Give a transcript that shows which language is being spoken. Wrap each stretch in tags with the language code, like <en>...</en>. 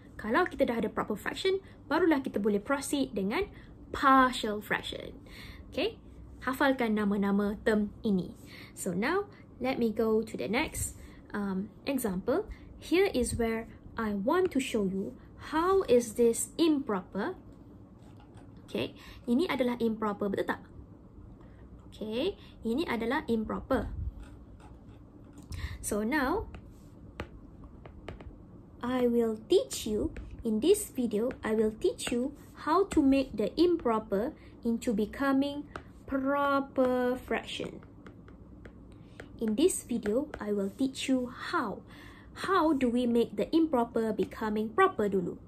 <ms>Kalau kita dah ada proper fraction, barulah kita boleh proceed dengan partial fraction. Okay? Hafalkan nama-nama term ini.</ms> <en>So now, let me go to the next example. Here is where I want to show you how is this improper.</en> <ms>Okay, ini adalah improper, betul tak? Okay, ini adalah improper.</ms> <en>So now, I will teach you, in this video, I will teach you how to make the improper into becoming proper fraction. In this video, I will teach you how. How do we make the improper becoming proper dulu?</en>